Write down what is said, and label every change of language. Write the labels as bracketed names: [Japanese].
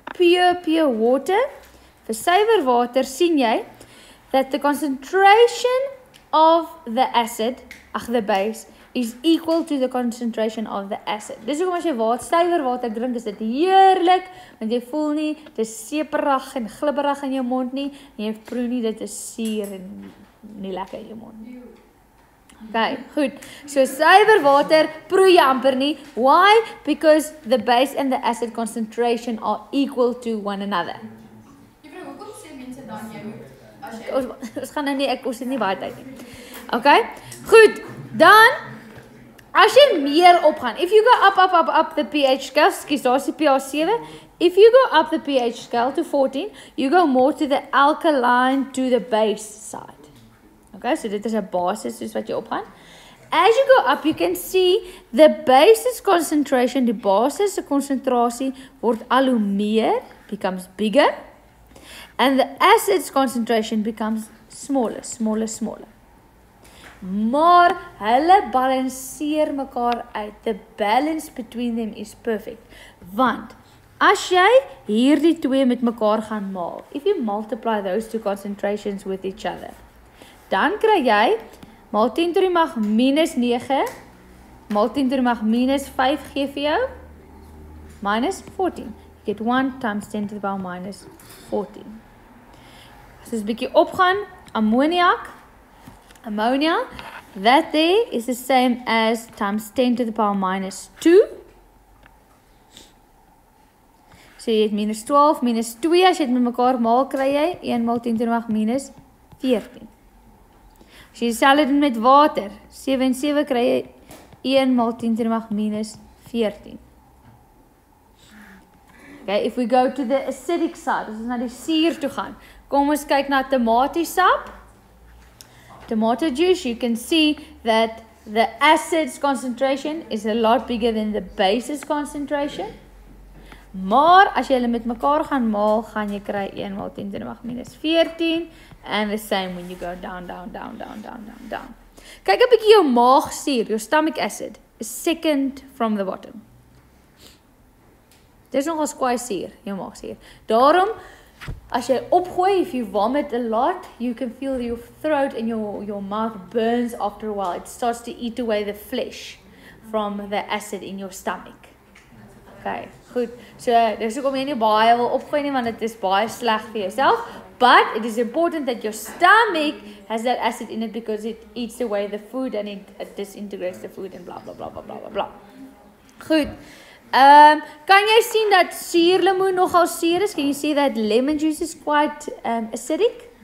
[English] Pure water. [Afrikaans] Vir suiwer water sien jy [English] that the concentration of the acid, ach the base, is equal to the concentration of the acid. [Afrikaans] Dis hoekom as jy suiwer water drink, is dit heerlik, want jy voel nie, dit is seeperig en glibberig in jou mond nie, en jy proe nie, dit is seer en nie lekker in jou mond nie. Okay, goed. So suiwer water proe jy amper nie. [English] Why? Because the base and the acid concentration are equal to one another. [Afrikaans] Jy vroeg, hoekom sê mense dan jou? Ons gaan nie, ons het nie baie tyd nie. Okay, goed. Dan, As jy meer opgaan, [English] if you go up the pH scale, excuse, [Afrikaans] daar's die pH 7, [English] if you go up the pH scale to 14, you go more to the alkaline to the base side. [Afrikaans] Okay, so dit is 'n basis soos wat jy opgaan. [English] As you go up, you can see the basis concentration, [Afrikaans] die basis se konsentrasie word al hoe meer, [English] becomes bigger, and the acid's concentration becomes smaller. [Afrikaans] Maar hulle balanseer mekaar uit. [English] The balance between them is perfect. [Afrikaans] Want as jy hierdie twee met mekaar gaan maal, [English] if you multiply those two concentrations with each other, [Afrikaans] dan kry jy maal 10 to the mag minus 9, maal 10 to the mag minus 5 gee vir jou, minus 14. [English] You get 1 times 10 to the power minus 14. [Afrikaans] As ons bykie opgaan, [English] ammonia, that there is the same as times 10 to the power minus 2. [Afrikaans] So jy het minus 12, minus 2, as jy het met mekaar maal kry jy, 1 maal 10 to the mag minus 14. As jy sal dit met water, 7 en 7 kry jy 1 maal 10 to the mag minus 14. Okay, [English] if we go to the acidic side, [Afrikaans] as ons na die suur toe gaan, kom ons kyk na tomatiesap. [English] Tomato juice, you can see that the acid's concentration is a lot bigger than the base's concentration. [Afrikaans] Maar as jy hulle met mekaar gaan maal, gaan jy kry 1 maal 10 to the mag minus 14. [English] And the same when you go down. [Afrikaans] Kyk 'n bietjie jou maagsuur, [English] your stomach acid, is second from the bottom. [Afrikaans] Dis nogal kwai suur, jou maagsuur. Daarom as jy opgooi, [English] if you vomit a lot, you can feel your throat and your mouth burns after a while. It starts to eat away the flesh from the acid in your stomach. [Afrikaans] Okay, goed. So, dis hoekom jy nie baie wil opgooi nie, want dit is baie sleg vir jouself. [English] But it is important that your stomach has that acid in it because it eats away the food and it disintegrates the food and blah, blah, blah, blah, blah, blah, blah. Goed. [Afrikaans] Kan jy sien dat suurlemoen nogal suur is? [English] Can you see that lemon juice is quite acidic?